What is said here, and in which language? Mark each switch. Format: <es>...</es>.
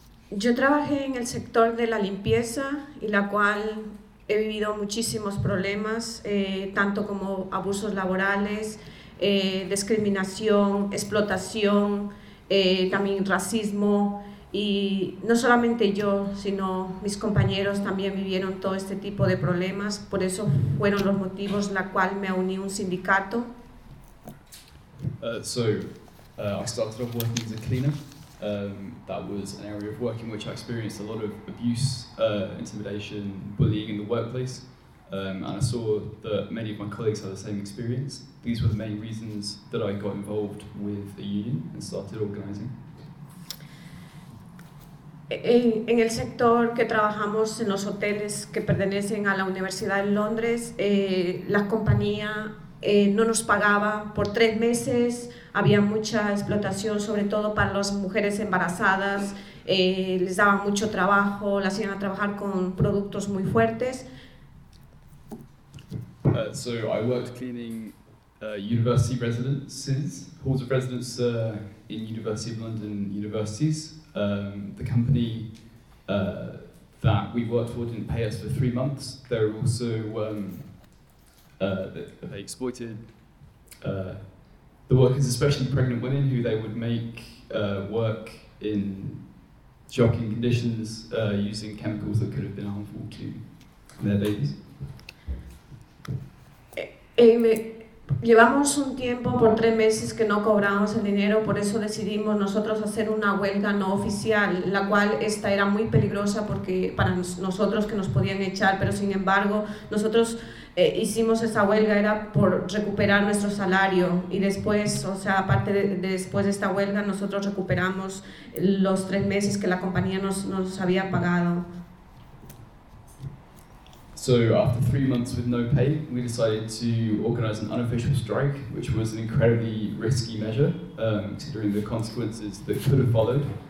<es>Yo trabajé en el sector de la limpieza, y la cual he vivido muchísimos problemas, tanto como abusos laborales, discriminación, explotación, también racismo. Y no solamente yo, sino mis compañeros también vivieron todo este tipo de problemas. Por eso fueron los motivos la cual me uní a un sindicato.</es> <en>I started off working as a cleaner. That was an area of work in which I experienced a lot of abuse, intimidation, bullying in the workplace. And I saw that many of my colleagues had the same experience. These were the main reasons that I got involved with a union and started organizing.</en> <es>En el sector que trabajamos, en los hoteles que pertenecen a la Universidad de Londres, la compañía no nos pagaba por 3 meses. Había mucha explotación, sobre todo para las mujeres embarazadas. Les daban mucho trabajo, las hacían a trabajar con productos muy fuertes.</es> <en>So I worked cleaning university residences, halls of residence in University of London universities. The company that we worked for didn't pay us for 3 months. There were also they exploited the workers, especially pregnant women, who they would make work in shocking conditions using chemicals that could have been harmful to their babies.</en> <es>Llevamos un tiempo, por 3 meses, que no cobramos el dinero, por eso decidimos nosotros hacer una huelga no oficial, la cual esta era muy peligrosa porque para nosotros que nos podían echar, pero sin embargo, nosotros hicimos esa huelga, era por recuperar nuestro salario, y después, o sea, aparte de después de esta huelga, nosotros recuperamos los 3 meses que la compañía nos había pagado.</es> <en>So after 3 months with no pay, we decided to organize an unofficial strike, which was an incredibly risky measure, considering the consequences that could have followed.</en>